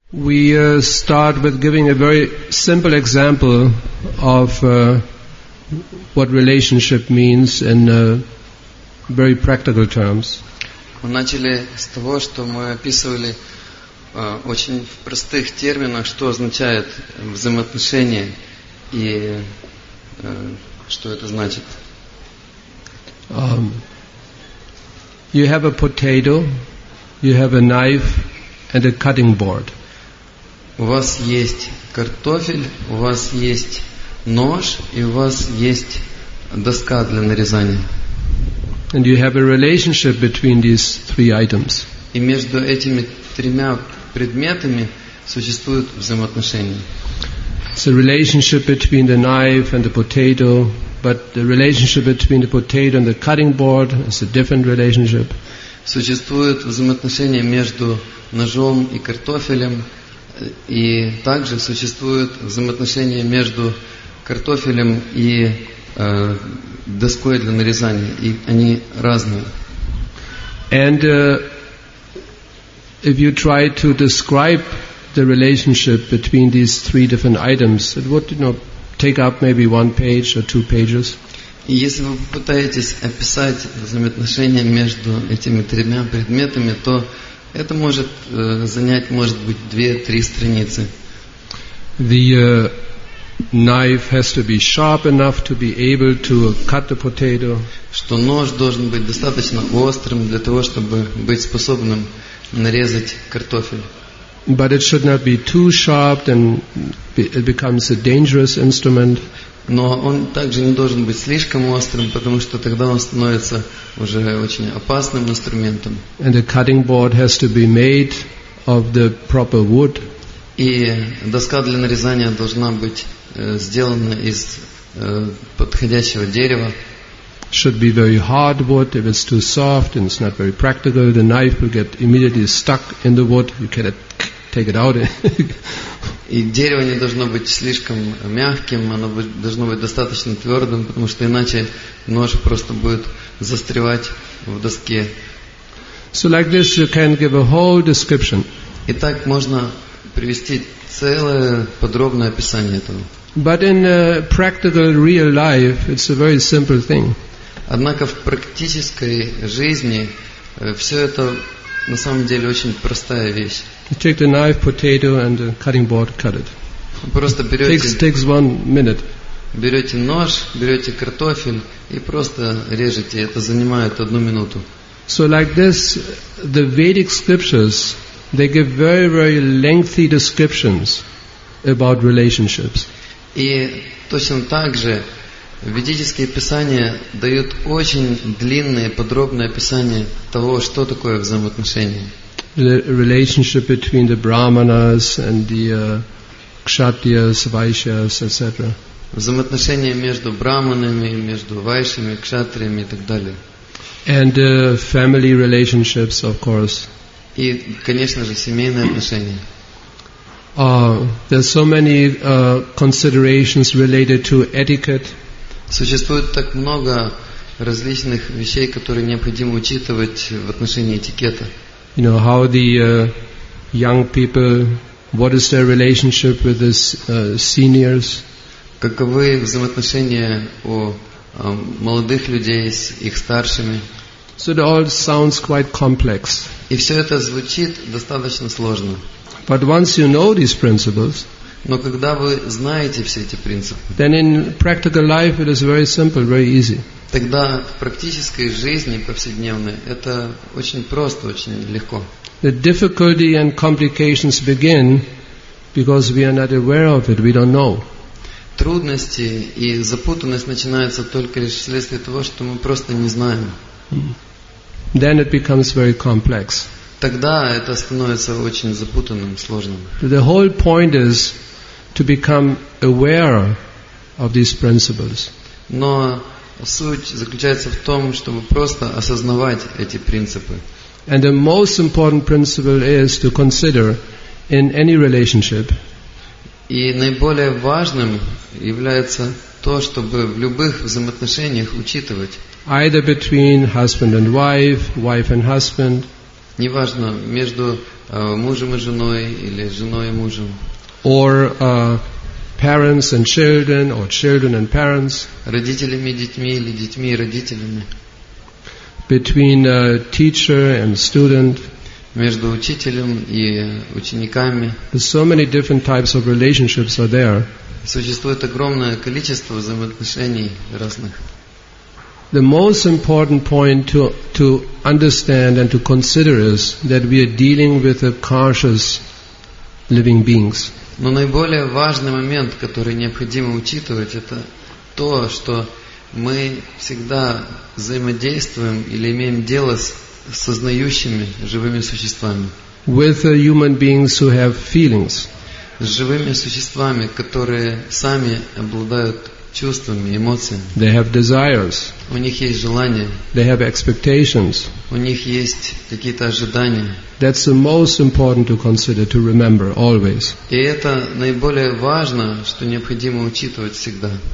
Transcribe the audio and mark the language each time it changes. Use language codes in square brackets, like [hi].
[en] We start with giving a very simple example of what relationship means in very practical terms. [ru] Мы начали с того, что мы описывали очень в простых терминах, что означает взаимоотношения и что это значит. [en] You have a potato, you have a knife and a cutting board. [ru] У вас есть картофель, у вас есть нож и у вас есть доска для нарезания. [en] And you have a relationship between these three items. [ru] И между этими тремя предметами существуют взаимоотношения. [en] It's a relationship between the knife and the potato, but the relationship between the potato and the cutting board is a different relationship. [ru] Существует взаимоотношение между ножом и картофелем, и также существует взаимоотношение между картофелем и доской для нарезания, и они разные. [en] And if you try to describe the relationship between these three different items, it would, you know, take up maybe one page or two pages. [ru] И если вы попытаетесь описать взаимоотношения между этими тремя предметами, то это может занять, может быть, 2-3 страницы. [en] The knife has to be sharp enough to be able to cut the potato. [ru] Что нож должен быть достаточно острым для того, чтобы быть способным нарезать картофель. [en] But it should not be too sharp, then it becomes a dangerous instrument. [ru] Но он также не должен быть слишком острым, потому что тогда он становится уже очень опасным инструментом. [en] And the cutting board has to be made of the proper wood. [ru] И доска для нарезания должна быть сделана из подходящего дерева. [en] Should be very hard wood. If it's too soft and it's not very practical, the knife will get immediately stuck in the wood. You cannot take it out. [ru] И дерево не должно быть слишком мягким, оно должно быть достаточно твердым, потому что иначе нож просто будет застревать в доске. [en] So like this, you can give a whole description. [ru] И так можно привести целое подробное описание этого. [en] But in practical, real life, it's a very simple thing. [ru] Однако в практической жизни все это на самом деле очень простая вещь. [en] You take the knife, potato and the cutting board, cut it. [ru] Просто берете, [en] takes 1 minute. [ru] Берете нож, берете картофель и просто режете. Это занимает 1 минуту. [en] So like this, the Vedic scriptures, they give very, very lengthy descriptions about relationships. [ru] И точно так же ведические писания дают очень длинное, подробное описание того, что такое взаимоотношения. [en] The relationship between the brahmanas and the kshatriyas, vaishyas, etc. [ru] Взаимоотношения между брахманами, между вайшами, кшатриями и так далее. [en] And family relationships, of course. [ru] И, конечно же, семейные отношения. [en] There are so many considerations related to etiquette. [ru] Существует так много различных вещей, которые необходимо учитывать в отношении этикета. [en] You know, how the young people, what is their relationship with the seniors? [ru] Каковы взаимоотношения у молодых людей с их старшими? [en] So it all sounds quite complex. [ru] И все это звучит достаточно сложно. [en] But once you know these principles, [ru] но когда вы знаете все эти принципы, [en] then in practical life it is very simple, very easy. [ru] Тогда в практической жизни повседневной это очень просто, очень легко. [en] The difficulty and complications begin because we are not aware of it, we don't know. [ru] Трудности и запутанность начинаются только лишь вследствие того, что мы просто не знаем. [en] Then it becomes very complex. [ru] Тогда это становится очень запутанным, сложным. [en] The whole point is to become aware of these principles. [ru] Но суть заключается в том, чтобы просто осознавать эти принципы. [en] And the most important principle is to consider in any relationship. [ru] И наиболее важным является то, чтобы в любых взаимоотношениях учитывать. [en] Either between husband and wife, wife and husband. [ru] Неважно, между мужем и женой или женой и мужем. [en] Or parents and children, or children and parents. [ru] Родителями и детьми или детьми и родителями. [en] Between a teacher and student. [ru] Между учителем и учениками. [en] There's so many different types of relationships are there. [ru] Существует огромное количество взаимоотношений разных. [en] The most important point to understand and to consider is that we are dealing with a conscious living beings. [ru] Но наиболее важный момент, который необходимо учитывать, это то, что мы всегда взаимодействуем или имеем дело с сознающими живыми существами. [en] With human beings who have feelings. [ru] С живыми существами, которые сами обладают чувствами, эмоциями. [en] They have desires. [ru] У них есть желания. [en] They have expectations. [ru] У них есть какие-то ожидания. [en] That's the most important to consider, to remember always. [ru] И это наиболее важно, что необходимо учитывать всегда.